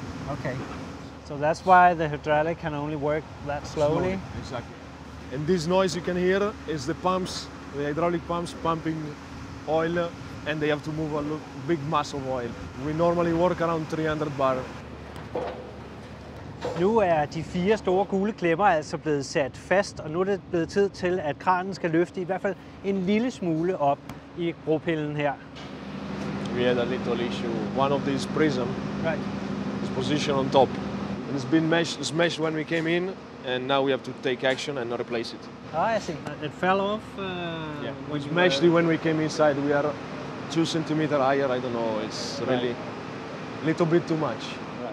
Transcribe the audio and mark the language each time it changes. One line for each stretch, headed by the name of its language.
English: Okay. So that's why the hydraulic can only work that slowly? Exactly. And this noise you can hear is the pumps, the hydraulic pumps pumping oil. And they have to move a big mass of oil. We normally work around 300 bar.
Danish: Nu er de 4 store gule klemmer altså blevet sat fast, og nu er det blevet tid til, at kranen skal løfte i hvert fald en lille smule op i bropillen her.
English: We had a little issue. One of these prism is positioned on top. And it's been smashed when we came in, and now we have to take action and replace it. Oh, I see. It fell off? Yeah, we smashed it when we came inside. We are 2 centimeter higher, I don't know, it's really... little bit too much. Right.